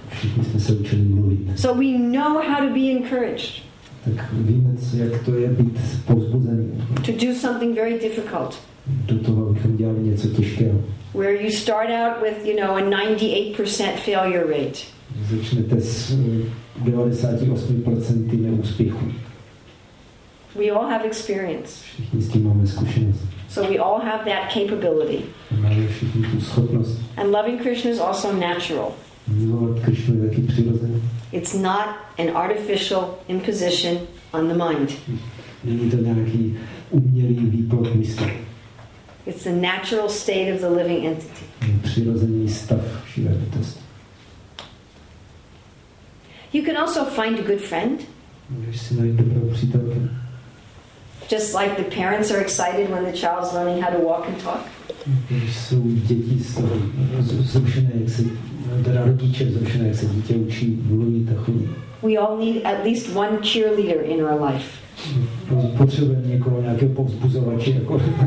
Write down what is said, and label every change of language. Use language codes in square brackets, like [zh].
[cs] Všichni jsme se učili mluvit. [en] So we know how to be encouraged. [cs] Tak víme, jak to je být povzbuzený. [en] To do something very difficult. [cs] Do toho, abychom dělali něco těžkého. [en] Where you start out with, you know, a 98% failure rate. [cs] Začnete s 98% neúspěchu. [en] We all have experience. [cs] Všichni s tím máme zkušenost. [en] So we all have that capability. [cs] Máme všichni tu schopnost. [en] And loving Krishna is also natural. [cs] Milovat Krishnu je taky přirozené. [en] It's not an artificial imposition on the mind. [cs] Není to nějaký umělý výplod mysli. [en] It's the natural state of the living entity. [cs] Přirozený stav živé bytosti. [en] You can also find a good friend. [cs] Můžeš si najít dobrou přítelkyni. [en] Just like the parents are excited when the child is learning how to walk and talk. [cs] Jsou děti zrušené, jak se, teda rodiče zrušené, jak se dítě učí mluvit a chodit. [en] We all need at least one cheerleader in our life. [cs] Potřebujeme někoho, nějakého povzbuzovače, jako